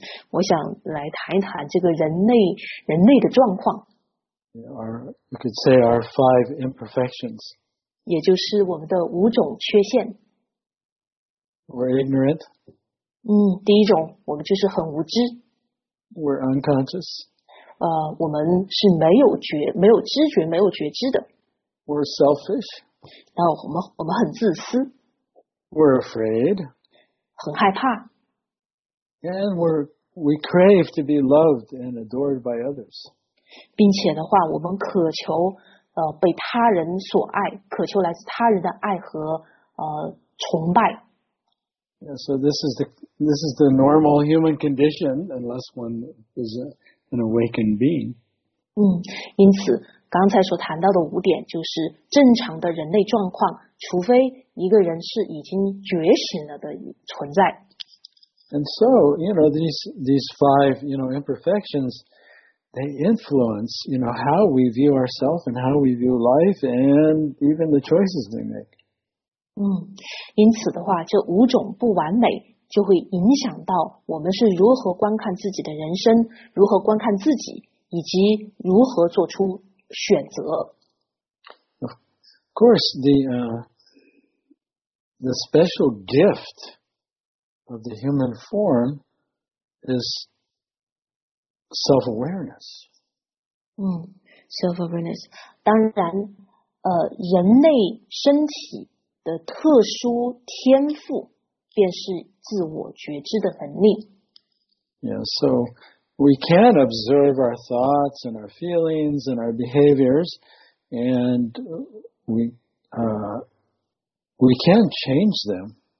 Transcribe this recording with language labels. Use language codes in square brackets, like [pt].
[zh] 我想来谈一谈这个人类的状况。 [en] You could say our five imperfections. [zh] 也就是我们的五种缺陷。 [en] We're ignorant. [zh] 第一种，我们就是很无知。 [en] We're unconscious. [zh] 我们是没有知觉，没有觉知的。 [en] We're selfish. [zh] 然后我们很自私。 [en] We're afraid. [zh] 很害怕。 [en] And we crave to be loved and adored by others. [zh] 并且的话，我们渴求被他人所爱，渴求来自他人的爱和崇拜。 [en] Yeah, so this is the normal human condition, unless one is an awakened being. [zh] 因此刚才所谈到的五点就是正常的人类状况，除非一个人是已经觉醒了的存在。 [en] And so, you know, these five, you know, imperfections, they influence, you know, how we view ourselves and how we view life and even the choices we make. [zh] 因此的话，这五种不完美就会影响到我们是如何观看自己的人生，如何观看自己，以及如何做出选择。 [en] Of course, the special gift of the human form is self-awareness. Self-awareness. [zh] 当然，人类身体的特殊天赋便是自我觉知的能力。 [en] Yeah, so we can observe our thoughts and our feelings and our behaviors, and we can change them.